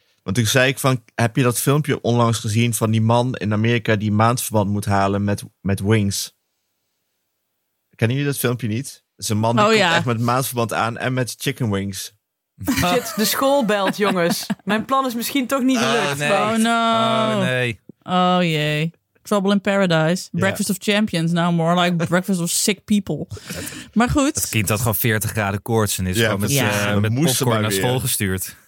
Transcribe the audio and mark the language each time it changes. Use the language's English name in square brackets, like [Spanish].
[Dutch] Want toen zei ik van, heb je dat filmpje onlangs gezien van die man in Amerika die maandverband moet halen met Wings? Kennen jullie dat filmpje niet? Het is een man die komt echt met maandverband aan en met chicken wings. Shit, de school belt, jongens. Mijn plan is misschien toch niet gelukt. Oh, nee. [English] Oh, no. [Dutch] Oh, nee. [English] Oh, jee. Trouble in Paradise. Breakfast of Champions. Now more like Breakfast of Sick People. [Dutch] Maar goed. Het kind had gewoon 40 graden koorts en is gewoon met popcorn naar school gestuurd.